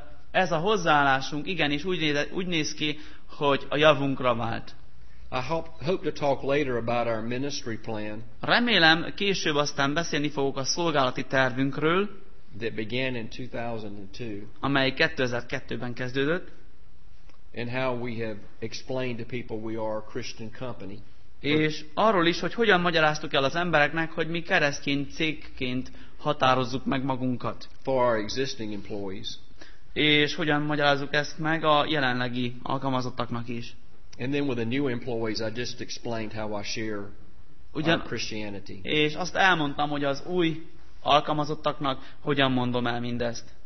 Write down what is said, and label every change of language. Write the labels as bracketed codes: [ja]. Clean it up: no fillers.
[hu] Ez a hozzáállásunk igenis úgy néz ki, hogy a javunkra vált. [en] I hope to talk later about our ministry plan. [hu] Remélem később aztán beszélni fogok a szolgálati tervünkről, [en] that began in 2002. [hu] Amely 2002-ben kezdődött. [en] And how we have explained to people we are a Christian company. [hu] És arról is, hogy hogyan magyaráztuk el az embereknek, hogy mi keresztény cégként határozzuk meg magunkat. [en] For our existing employees. [hu] És hogyan magyarázzuk ezt meg a jelenlegi alkalmazottaknak is. [en] And then with the new employees, I just explained how I share [hu] ugyan, [en] our Christianity. [hu] És azt elmondtam, hogy az új alkalmazottaknak hogyan mondom el mindezt.